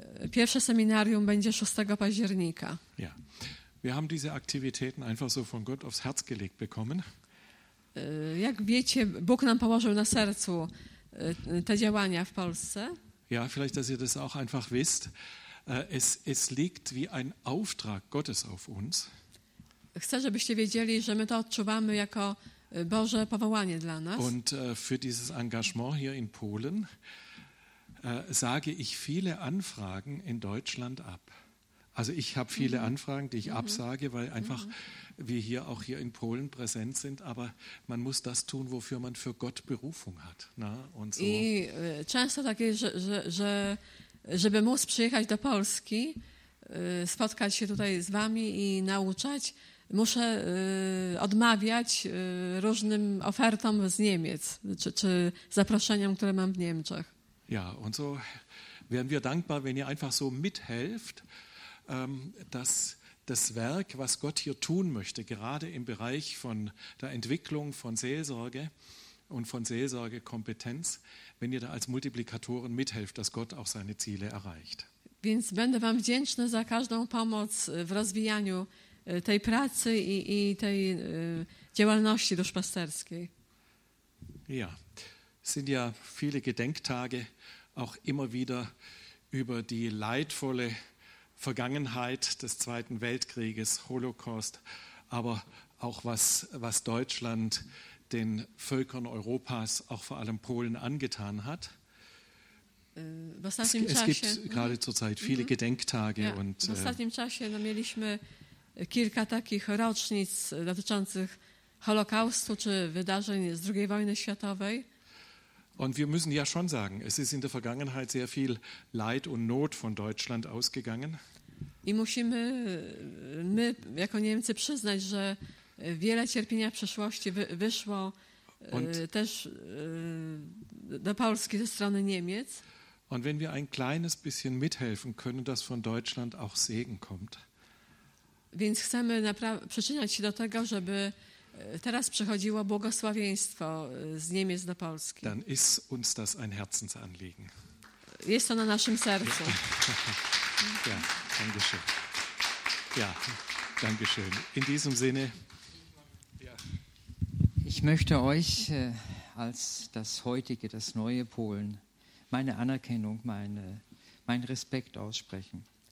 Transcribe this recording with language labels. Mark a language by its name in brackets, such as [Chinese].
[Polish] Pierwsze seminarium będzie 6 października. [German] Ja, wir haben diese Aktivitäten einfach so von Gott aufs Herz gelegt bekommen. [Polish] Jak wiecie, Bóg nam położył na sercu te działania w Polsce. [German] Ja, vielleicht, dass ihr das auch einfach wisst. Es liegt wie ein Auftrag Gottes auf uns. [Polish] Chcę, żebyście wiedzieli, że my to odczuwamy jako Boże powołanie dla nas. [German] Und für dieses Engagement hier in Polen sage ich viele Anfragen in Deutschland ab. Also ich habe viele Anfragen, die ich absage, weil einfach wir hier auch hier in Polen präsent sind, aber man muss das tun, wofür man für Gott Berufung hat. Na, und so. [Polish] I często tak jest, że żeby móc przyjechać do Polski, spotkać się tutaj z wami i nauczać, muszę odmawiać różnym ofertom z Niemiec, czy zaproszeniom, które mam w Niemczech. [German] Ja, und so wären wir dankbar, wenn ihr einfach so mithelft, dass das Werk, was Gott hier tun möchte, gerade im Bereich von der Entwicklung von Seelsorge und von Seelsorgekompetenz, wenn ihr da als Multiplikatoren mithelft, dass Gott auch seine Ziele erreicht. [Polish] Więc będę wam wdzięczny za każdą pomoc w rozwijaniu tej pracy i tej działalności duszpasterskiej. [German] Ja, sind ja viele Gedenktage auch immer wieder über die leidvolle Vergangenheit des Zweiten Weltkrieges, Holocaust, aber auch was Deutschland den Völkern Europas, auch vor allem Polen, angetan hat. Es gibt gerade zur Zeit viele Gedenktage. Ja, und, [Polish] w ostatnim czasie no, mieliśmy kilka takich rocznic dotyczących Holokaustu czy wydarzeń z II wojny światowej. [German] Und wir müssen ja schon sagen, es ist in der Vergangenheit sehr viel Leid und Not von Deutschland ausgegangen. [Polish] I musimy my jako Niemcy przyznać, że wiele cierpienia w przeszłości wyszło też do Polski ze strony Niemiec. [German] Und wenn wir ein kleines bisschen mithelfen können, dass von Deutschland auch Segen kommt. [Polish] Więc chcemy przyczyniać się do tego, żeby teraz przychodziło błogosławieństwo z Niemiec do Polski. [German] Dann ist uns das ein Herzensanliegen. [Polish] Jest to na naszym sercu. [German] Ja, danke schön. Ja, danke schön. In diesem Sinne. Ja. Ich möchte euch als das heutige, das neue Polen meine Anerkennung, mein Respekt aussprechen.